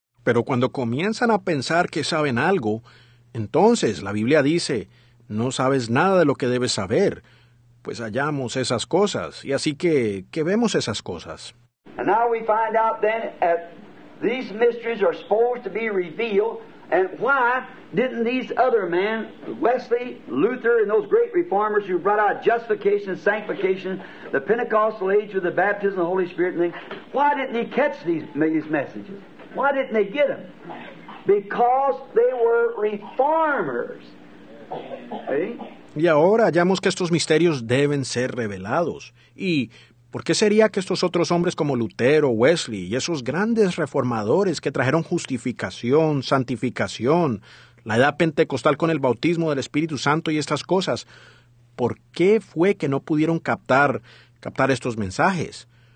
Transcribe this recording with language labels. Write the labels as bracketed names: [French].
[Spanish] Pero cuando comienzan a pensar que saben algo, entonces la Biblia dice, no sabes nada de lo que debes saber, pues hallamos esas cosas. Y así que vemos esas cosas. [English] And now we find out then that these mysteries are supposed to be revealed. And why didn't these other men, Wesley, Luther, and those great reformers who brought out justification, sanctification, the Pentecostal age with the baptism of the Holy Spirit, and things, why didn't they catch these messages? Why didn't they get them? Because they were reformers. [Spanish] ¿Sí? Y ahora hallamos que estos misterios deben ser revelados. ¿Y por qué sería que estos otros hombres como Lutero, Wesley y esos grandes reformadores que trajeron justificación, santificación, la edad pentecostal con el bautismo del Espíritu Santo y estas cosas, por qué fue que no pudieron captar estos mensajes?